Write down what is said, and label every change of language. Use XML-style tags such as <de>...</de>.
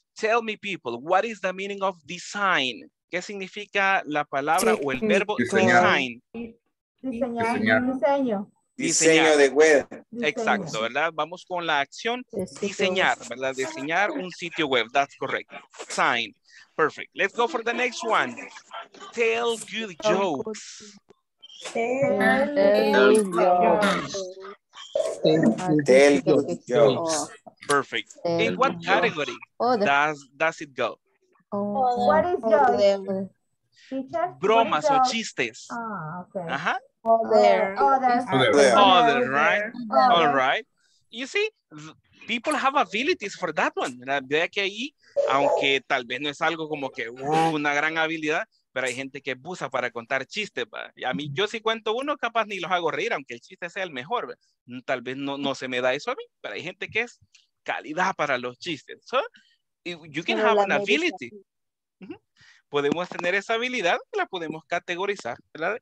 <en>Tell me, people, what is the meaning of design?</en> <es>¿Qué significa la palabra o el verbo design? Diseño de web. Exacto, ¿verdad? Vamos con la acción diseñar, ¿verdad? Diseñar un sitio web.</es> <en>That's correct. Sign. Perfect. Let's go for the next one. Tell good jokes. Tell good jokes. Perfect. In what category does it go? Oh, what is your teacher?</en> <es>Bromas o chistes. Ah, okay. Uh-huh.</es> <en>Other. Other, right? Other. All right. You see, people have abilities for that one.</en> <es>Ve que ahí, aunque tal vez no es algo como que una gran habilidad, pero hay gente que abusa para contar chistes. Y a mí, yo si cuento uno, capaz ni los hago reír, aunque el chiste sea el mejor. Tal vez no se me da eso a mí, pero hay gente que es calidad para los chistes.</es> <en>So, you can have an ability.</en> <es>Podemos tener esa habilidad, la podemos categorizar, ¿verdad?</es>